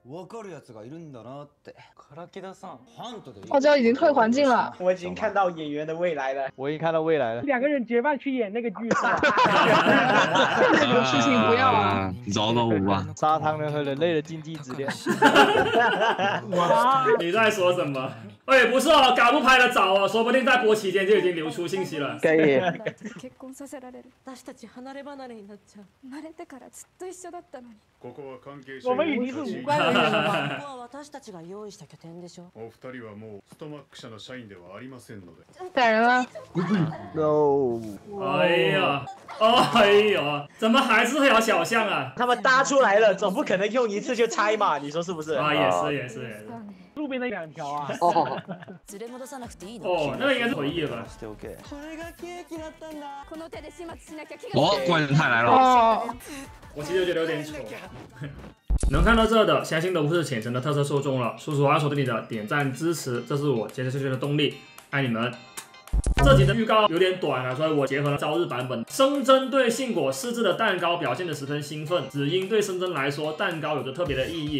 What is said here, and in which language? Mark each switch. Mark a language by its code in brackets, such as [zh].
[ja] わかるやつがいるんだなって。からきださん、ハントで。 [zh] 傲娇已经退环境了。我已经看到演员的未来了。我已经看到未来了。两个人结伴去演那个剧。哈哈哈哈哈！事情不要啊。饶了我吧。砂糖人和人类的禁忌之恋。哈哈哈哈哈！你在说什么？哎，不是哦，搞不拍的早哦，说不定在播期间就已经流出信息了。可以。 [ja] 結婚させられる。私たち離れ離れになっちゃう。生まれてからずっと一緒だったのに。ここは関係者。 [zh] 我们已经是无关人了。 [ja] ここは私たちが用意した拠点でしょ。お二人はもうストマック社の社員ではありませんので。 [zh] 打人吗？不是 ，no。哎呀，哎呀，怎么还是条小巷啊？他们搭出来了，总不可能用一次就拆嘛？你说是不是？啊，也是，也是。路边的两条啊。哦。哦，那个应该是回忆吧。是 OK。 [ja] これがケーキだったんだ。この手で始末しなきゃ。 [zh] 哦，怪人太来了。我其实觉得有点丑。能看到这的，相信都不是浅层的特色受众了。叔叔阿叔对你的点赞支持，这是我坚持下去的动力。爱你们！这集的预告有点短啊，所以我结合了朝日版本。深真对杏果试制的蛋糕表现得十分兴奋，只因对深真来说，蛋糕有着特别的意义。